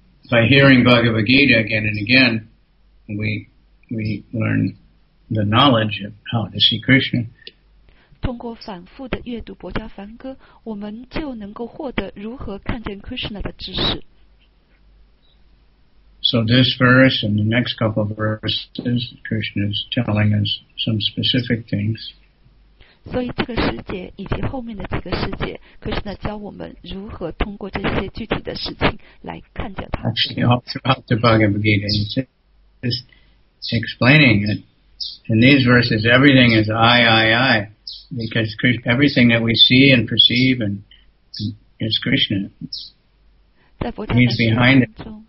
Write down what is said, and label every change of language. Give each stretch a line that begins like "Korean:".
English: By hearing Bhagavad Gita again and again, we learn the knowledge of how to see Krishna.
Chinese: 通过反复的阅读《薄伽梵歌》，我们就能够获得如何看见 Krishna 的知识。
English: So this verse and the next couple of verses, Krishna is telling us some specific things.
Chinese: 所以这个时节以及后面的几个时节， Krishna 教我们如何通过这些具体的事情来看见他。
English: Actually, all throughout the Bhagavad Gita, he's just explaining it. In these verses, everything is I. Because everything that we see and perceive and is Krishna. He's behind it.